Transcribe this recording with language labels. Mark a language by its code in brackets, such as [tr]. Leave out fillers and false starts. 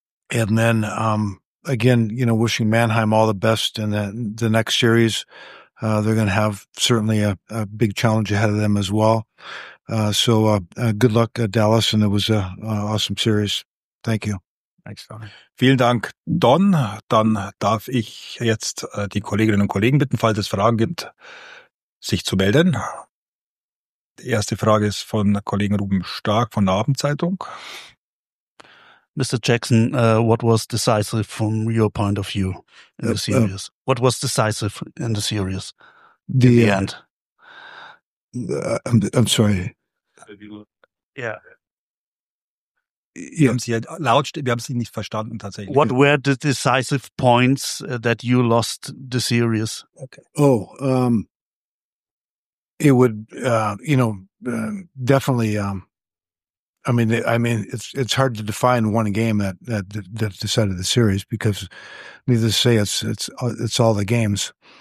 [en] And then, again, you know, wishing Mannheim all the best in the next series. They're going to have certainly a big challenge ahead of them as well. Good luck, Dallas. And it was a awesome series. Thank you. Thanks, Don. [de] Vielen Dank, Don. Dann darf ich jetzt die Kolleginnen und Kollegen bitten, falls es Fragen gibt, sich zu melden. Die erste Frage ist von Kollegen Ruben Stark von der Abendzeitung. [en] Mr. Jackson, what was decisive from your point of view in the series? What was decisive in the series? The end. I'm sorry. Yeah. Yeah. [de] Wir haben sie nicht verstanden tatsächlich. [en] What were the decisive points that you lost the series? Okay. Oh, it would, you know, definitely. It's hard to define one game that decided the series, because, needless to say, it's all the games.